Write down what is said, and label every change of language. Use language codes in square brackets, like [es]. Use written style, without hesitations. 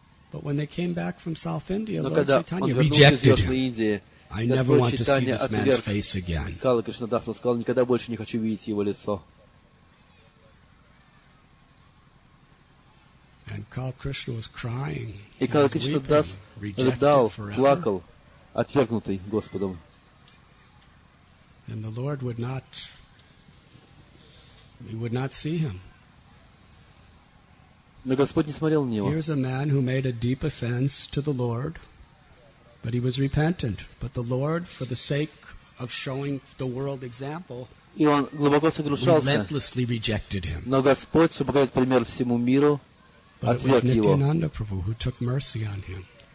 [en] But when they came back from South India, [ru] Но [en] Lord Chaitanya rejected him. I never want to see this man's face again. [ru] Кала Кришнадас сказал, никогда больше не хочу видеть его лицо. [en] And Kala Krishna was crying. [ru] И Кала Кришнадас рыдал, плакал, отвергнутый Господом. [en] And the Lord would not. He would not see him. [ru] Но Господь не смотрел на него. [en] Here's a man who made a deep offense to the Lord, but he was repentant. But the Lord, for the sake of showing the world example, [ru] и он глубоко согрушался, [en] relentlessly rejected him. [ru] Но Господь, чтобы показать пример всему миру, отверг его. [en] But it was Nityananda Prabhu who took mercy on him.